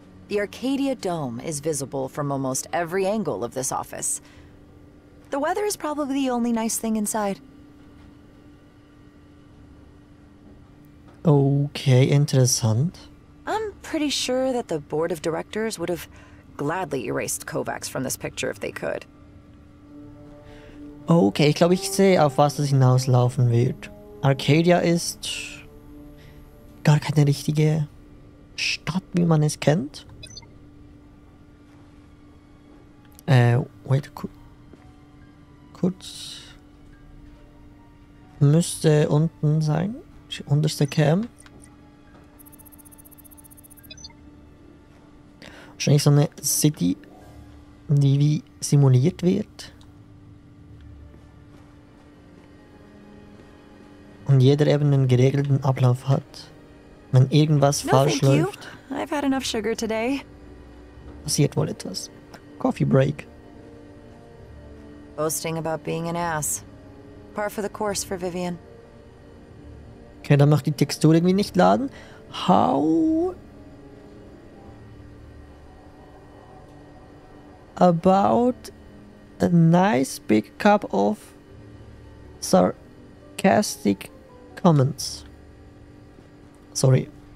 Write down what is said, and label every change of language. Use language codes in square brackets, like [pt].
[en] The Arcadia Dome is visible from almost every angle of this office. The weather is probably the only nice thing inside. [de] Okay, interessant. [en] I'm pretty sure that the board of directors would have gladly erased Kovacs from this picture if they could. [de] Okay, ich glaube, ich sehe, auf was das hinauslaufen wird. Arcadia ist gar keine richtige Stadt, wie man es kennt. Wait, kurz. Müsste unten sein. Unterste Cam. Wahrscheinlich so eine City, die wie simuliert wird. Und jeder eben einen geregelten Ablauf hat. Wenn irgendwas falsch läuft. [en] I've had enough sugar today. [de] Passiert wohl etwas. [en] Coffee break. Boasting about being an ass. Par for the course for Vivian. [de] Okay, dann macht die Textur irgendwie nicht laden. [en] How about a nice big cup of sarcastic comments? Sorry.